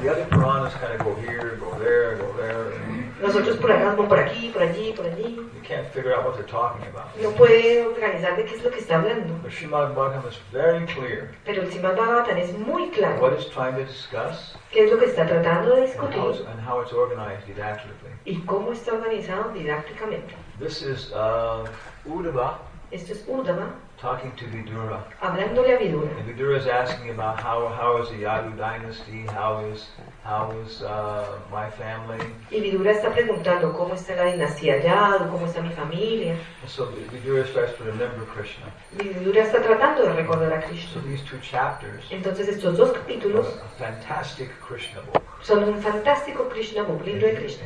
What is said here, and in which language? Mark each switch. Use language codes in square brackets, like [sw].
[en] The other Puranas kind of go here, go there, go there. [es] Los otros Puranas van por aquí, por allí, por allí. [en] You can't figure out what they're talking about. [es] No puede organizar de qué es lo que está hablando. [en] But Srimad Bhagavatam is very clear. [es] Pero el Srimad Bhagavatam es muy claro. [en] What it's trying to discuss. [es] Qué es lo que está tratando de discutir. [en] And how it's organized didactically. [es] Y cómo está organizado didácticamente. [en] This is Uddhava. [es] Esto es Uddhava. [en] Talking to Vidura. [es] Hablándole a Vidura. [en] And Vidura is asking about how is the Yadu dynasty, how is my family. [es] Y Vidura está preguntando cómo está la dinastía Yadu, cómo está mi familia. [en] So Vidura starts to remember Krishna. [es] Vidura está tratando de recordar a Krishna. [en] So these two chapters. [es] Entonces estos dos capítulos. [en] A fantastic Krishna book. [es] Son un fantástico Krishna book, libro de Krishna.